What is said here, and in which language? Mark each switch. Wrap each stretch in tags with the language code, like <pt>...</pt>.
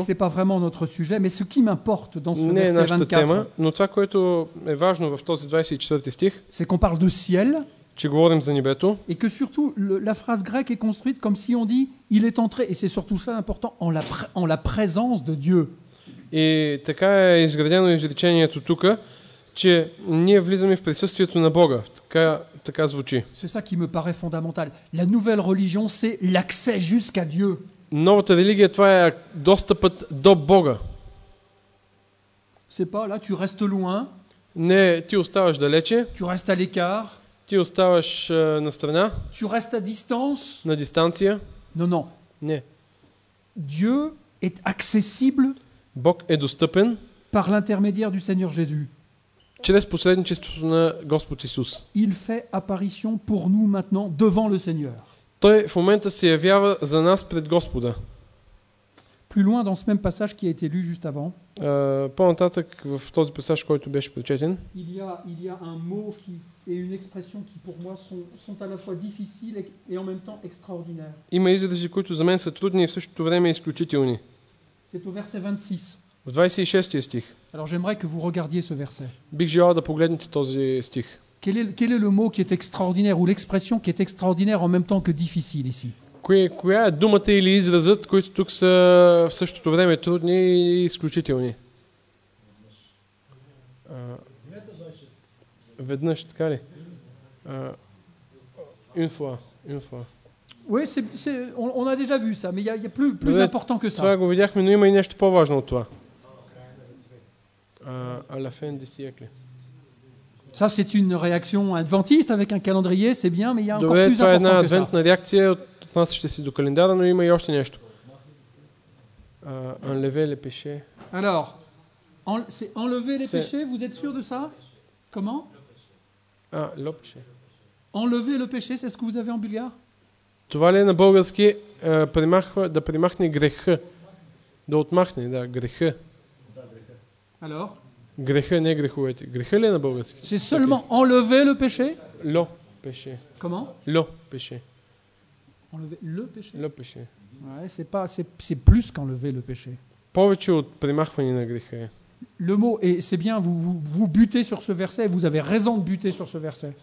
<fr>C'est pas vraiment notre sujet, mais ce qui m'importe dans ce verset 24.</fr> <bg>Не е нашата тема, но това, което е важно в този 24 стих.</bg> <fr>C'est qu'on parle de ciel.</fr> <bg>Че говорим за небето.</bg> <fr>Et que surtout la phrase grecque est construite comme si on dit il est entré et c'est surtout ça important en la présence de Dieu.</fr> <bg>И така е изградено изречението тук, че ние влизаме в присъствието на Бога. Така звучи.</bg> <fr>C'est ça qui me paraît fondamental. La nouvelle religion, c'est l'accès jusqu'à Dieu.</fr> <bg>Новата религия, това е достъпът до Бога.</bg> <fr>C'est pas là, tu restes loin.</fr> <bg>Не, ти оставаш далече.</bg> <fr>Tu restes à l'écart.</fr> <bg>Ти оставаш настрана.</bg> <fr>Tu restes à distance.</fr> <bg>На дистанция.</bg> <fr>Non.</fr> <bg>Не.</bg> <fr>Dieu est accessible.</fr> <bg>Бог е достъпен</bg> <fr>par l'intermédiaire du Seigneur Jésus.</fr> <bg>Чрез посредничеството на Господ Исус.</bg> <fr>Il fait apparition pour nous maintenant devant le Seigneur.</fr> <bg>Той в момента се явява за нас пред Господа.</bg> <fr>Plus loin dans ce même passage qui a été lu juste avant.</fr> <bg>По-нататък в този пасаж, който беше прочетен.</bg> <fr>Il y a un mot qui est une expression qui pour moi sont à la fois difficiles et en même temps extraordinaires.</fr> <bg>Има изрази, които за мен са трудни и в същото време изключителни.</bg> <fr>C'est au verset 26.</fr> <bg>В 26-тия стих.</bg> <fr>Alors j'aimerais que vous regardiez ce verset.</fr> <bg>Бих желал да погледнете този стих.</bg> <fr>Quel est le mot qui est extraordinaire ou l'expression qui est extraordinaire en même temps que difficile ici?</fr> <bg>Коя е думата или изразът, които тук са в същото време трудни и изключителни? Веднъж, така ли?</bg> <fr>Une fois. Oui, on a déjà vu ça, mais il y a plus</fr> <bg>Но,</bg> <fr>important que ça.</fr> <bg>Това го видяхме, но има и нещо по-важно от това.</bg> <fr>À la fin du siècle. Ça, c'est une réaction adventiste avec un calendrier, c'est bien, mais il y a encore plus important que ça.</fr> <bg>Това е една адвентна реакция, отнасяща се до календара, но има и още нещо.</bg> <fr>Enlever les péchés. Alors, c'est enlever les péchés, vous êtes sûr de ça? Comment? Le péché. Enlever le péché, c'est ce que vous avez en bulgare?</fr> <bg>Това ли е на български да примахне греха? Да отмахне, да, греха.</bg> <fr>Alors?</fr> <bg>Греха, не греховете. Греха ли е на български?</bg> <fr>C'est seulement enlever le péché? Le péché. Comment? Le péché. Enlever le péché? Le péché. Ouais, c'est plus qu'enlever le péché.</fr> <bg>Повече от премахване на греха е.</bg> <fr>Le mot, et c'est bien, vous butez sur ce verset, vous avez raison de buter sur ce verset.</fr>